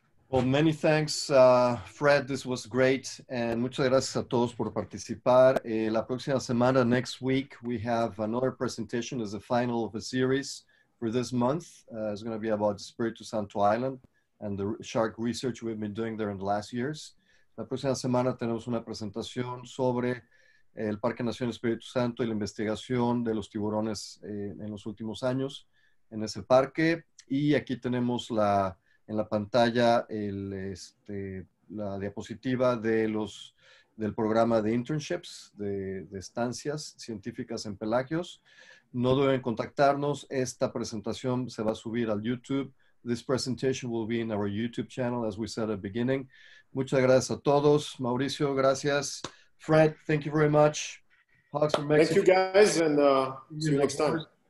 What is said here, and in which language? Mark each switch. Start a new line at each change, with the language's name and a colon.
English: Well, many thanks, Fred. This was great. And
Spanish: muchas gracias a todos por participar. La próxima semana,
English: next week, we have another presentation as the final of a series for this month. It's going to be about Espiritu Santo Island and the shark research we've been doing there in the last years.
Spanish: La próxima semana tenemos una presentación sobre el Parque Nacional Espíritu Santo y la investigación de los tiburones en los últimos años en ese parque. Y aquí tenemos en la pantalla la diapositiva del programa de internships, de estancias científicas en pelagios. No deben contactarnos. Esta presentación se va a subir al YouTube.
English: This presentation will be in our YouTube channel, as we said at the beginning.
Spanish: Muchas gracias a todos. Mauricio, gracias. Fred,
English: thank you very much. Hugs from Mexico. Thank you, guys, and see you next time.